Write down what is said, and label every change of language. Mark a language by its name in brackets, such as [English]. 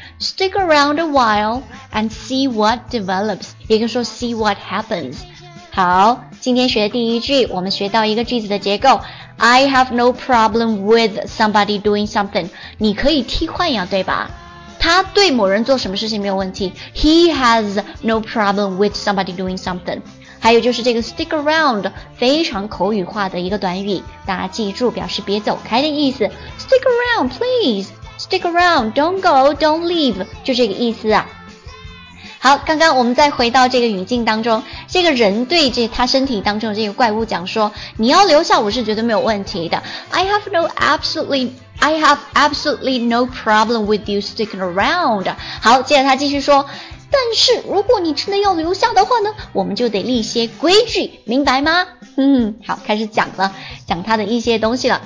[English] Stick around a while and see what develops, [Chinese] 也可以说 [English] see what happens。 [Chinese] 好，今天学的第一句，我们学到一个句子的结构， [English] I have no problem with somebody doing something. [Chinese] 你可以替换呀，对吧？他对某人做什么事情没有问题。 [English] He has no problem with somebody doing something. [Chinese] 还有就是这个 stick around, 非常口语化的一个短语，大家记住表示别走开的意思。 [English] Stick around, please. Stick around, don't go, don't leave. [Chinese] 就这个意思啊。好，刚刚我们再回到这个语境当中，这个人对这他身体当中的这个怪物讲说，你要留下我是绝对没有问题的。 [English] I have absolutely no problem with you sticking around. [Chinese] 好，接着他继续说，但是如果你真的要留下的话呢，我们就得立些规矩，明白吗？好，开始讲了，讲他的一些东西了。